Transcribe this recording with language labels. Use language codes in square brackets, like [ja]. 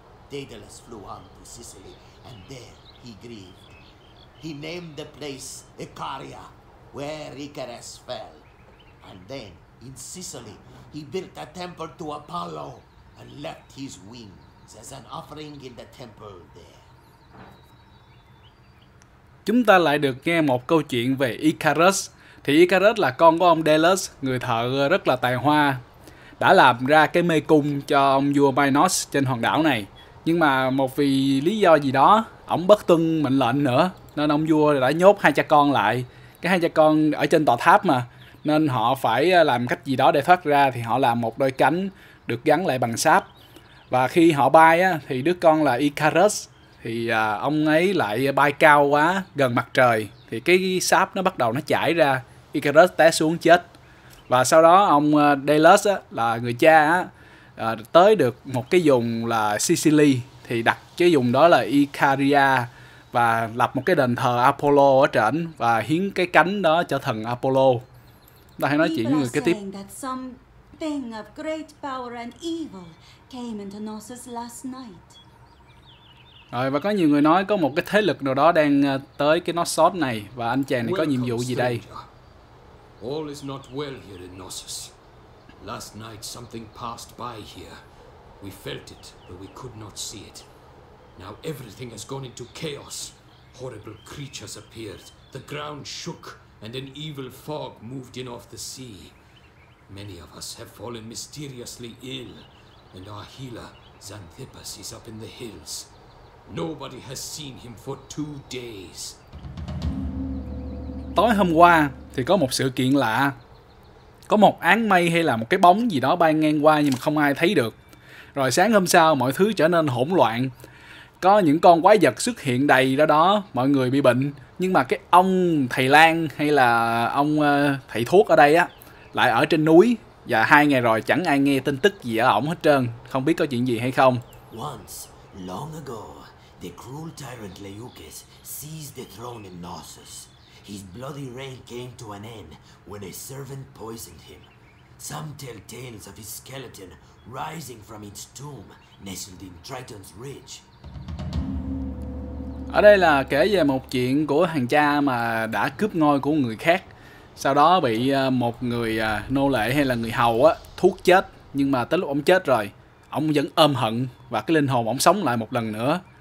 [en] Daedalus flew on to Sicily, and there he grieved. He named the place Icaria, where Icarus fell. And then, in Sicily, he built a temple to Apollo and left his wings as an offering in the temple there. [vi] Chúng ta lại được nghe một câu chuyện về Icarus. Thì Icarus là con của ông Daedalus, người thợ rất là tài hoa, đã làm ra cái mê cung cho ông vua Minos trên hòn đảo này. Nhưng mà một vì lý do gì đó, ổng bất tuân mệnh lệnh nữa, nên ông vua đã nhốt hai cha con lại. Cái hai cha con ở trên tòa tháp mà, nên họ phải làm cách gì đó để thoát ra, thì họ làm một đôi cánh được gắn lại bằng sáp. Và khi họ bay á, thì đứa con là Icarus, thì ông ấy lại bay cao quá gần mặt trời, thì cái sáp nó bắt đầu nó chảy ra, Icarus té xuống chết. Và sau đó ông Daedalus á, là người cha á, tới được một cái vùng là Sicily, thì đặt cái vùng đó là Icaria và lập một cái đền thờ Apollo ở trển và hiến cái cánh đó cho thần Apollo. Ta hãy nói chuyện với người kế tiếp. [en] That something of great power and evil came into Knossos last night. [vi] Rồi, và có nhiều người nói có một cái thế lực nào đó đang tới cái Knossos này, và anh chàng này có nhiệm vụ gì đây? [en] All is not well here in Knossos. Last night something passed by here. We felt it, but we could not see it. Now everything has gone into chaos. Horrible creatures appeared. The ground shook, and an evil fog moved in off the sea. Many of us have fallen mysteriously ill, and our healer, Xanthippus, is up in the hills. Nobody has seen him for 2 days. [vi] Tối hôm qua thì có một sự kiện lạ. Có một áng mây hay là một cái bóng gì đó bay ngang qua nhưng mà không ai thấy được. Rồi sáng hôm sau mọi thứ trở nên hỗn loạn. Có những con quái vật xuất hiện đầy ra đó, mọi người bị bệnh. Nhưng mà cái ông thầy lang hay là ông thầy thuốc ở đây á, lại ở trên núi. Và 2 ngày rồi chẳng ai nghe tin tức gì ở ổng hết trơn. Không biết có chuyện gì hay không. [en] Once, long ago, the cruel tyrant Leucus seized the throne in Knossos. His bloody reign came to an end when a servant poisoned him. Some tell tales of his skeleton rising from its tomb nestled in Triton's Ridge. [vi] Ở đây là kể về một chuyện của thằng cha mà đã cướp ngôi của người khác, sau đó bị một người nô lệ hay là người hầu á thuốc chết. Nhưng mà tới lúc ông chết rồi, ông vẫn ôm hận và cái linh hồn ông sống lại một lần nữa.